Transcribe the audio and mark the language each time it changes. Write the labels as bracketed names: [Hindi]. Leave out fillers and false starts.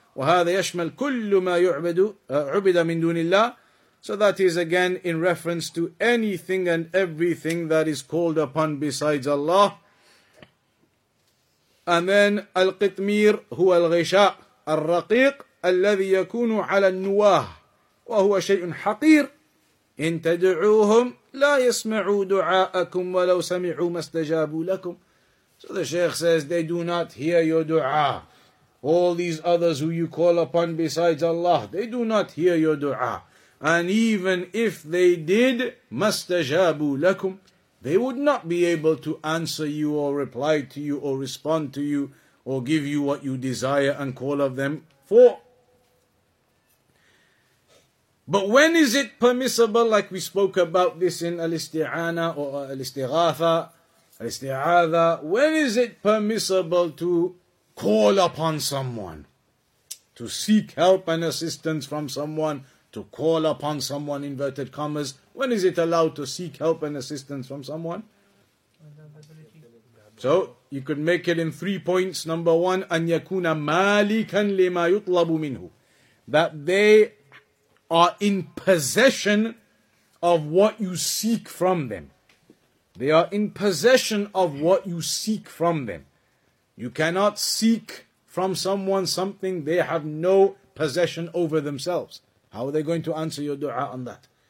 [Arabic] وهذا يشمل كل ما يعبد عبد من دون الله. [English] So that is again in reference to anything and everything that is called upon besides Allah. And then [Arabic] القطمير هو الغشاء الرقيق الذي يكون على النواه وهو شيء حقير إن تدعوهم لا يسمعوا دعاءكم ولو سمعوا ما استجابوا لكم. [English] So the Shaykh says they do not hear your dua. All these others who you call upon besides Allah, they do not hear your dua. And even if they did, [Arabic] مَسْتَجَابُوا لَكُمْ, [English] they would not be able to answer you or reply to you or respond to you or give you what you desire and call of them for. But when is it permissible, like we spoke about this in Al-Isti'ana or Al-Isti'adha, when is it permissible to call upon someone, to seek help and assistance from someone, to call upon someone, inverted commas, when is it allowed to seek help and assistance from someone? So, you could make it in 3 points. [Arabic] Number one, أن يكون مالكا لما يطلب منه. [English] That they are in possession of what you seek from them. They are in possession of what you seek from them. You cannot seek from someone something they have no possession over themselves. How are they going to answer your dua on that?